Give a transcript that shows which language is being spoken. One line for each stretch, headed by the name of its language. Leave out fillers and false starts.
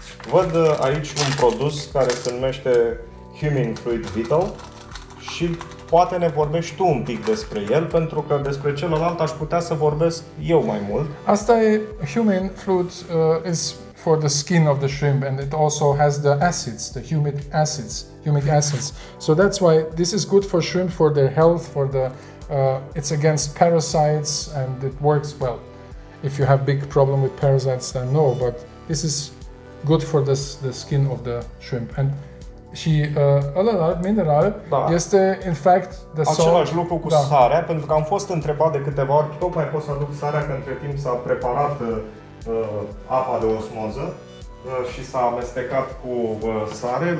Romanian: Văd aici un produs care se numește Human Fluid Vital și poate ne vorbești tu un pic despre el, pentru că despre celălalt aș putea să vorbesc eu mai mult. Asta e
English: human fluid, is for the skin of the shrimp and it also has the acids, the humic acids, humic acids. So that's why this is good for shrimp, for their health, for the it's against parasites and it works well. If you have big problem with parasites, then no, but this is good for this, the skin of the shrimp. And
Romanian: și alălalt mineral este,
English: in fact, the salt.
Romanian: Același lucru cu sarea, pentru că am fost întrebat de câteva ori, tot mai pot să aduc sarea, că între timp s-a preparat apa de osmoză și s-a amestecat cu sare.